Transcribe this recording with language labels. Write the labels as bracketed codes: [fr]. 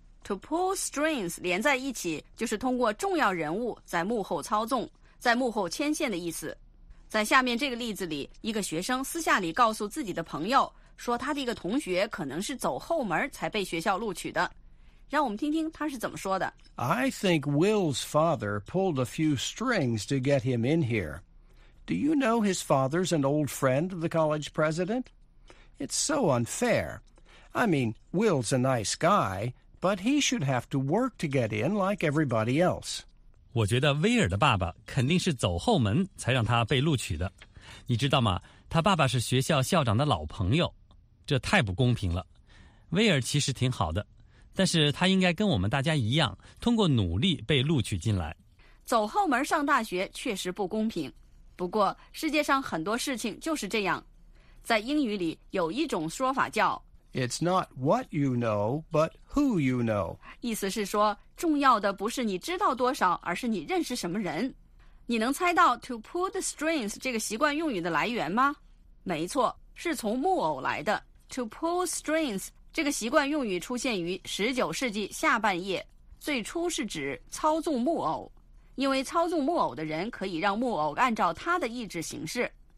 [en] To pull strings [zh] 连在一起，就是通过重要人物在幕后操纵，在幕后牵线的意思。在下面这个例子里，一个学生私下里告诉自己的朋友，说他的一个同学可能是走后门才被学校录取的。让我们听听他是怎么说的。 [en] I think Will's father pulled a few strings to get him in here. Do you know his father's an old friend of the college president? It's so unfair. I mean, Will's a nice guy,But he should have to work to get in like everybody else. [zh] 我觉得威尔的爸爸肯定是走后门才让他被录取的。你知道吗？他爸爸是学校校长的老朋友，这太不公平了。威尔其实挺好的，但是他应该跟我们大家一样，通过努力被录取进来。走后门上大学确实不公平，不过世界上很多事情就是这样。在英语里有一种说法叫 [en] It's not what you know, but who you know. [zh] 意思是说，重要的不是你知道多少，而是你认识什么人。你能猜到 [en] to pull the strings [zh] 这个习惯用语的来源吗？没错，是从木偶来的。 [en] To pull strings [zh] 这个习惯用语出现于19世纪下半叶，最初是指操纵木偶，因为操纵木偶的人可以让木偶按照他的意志行事。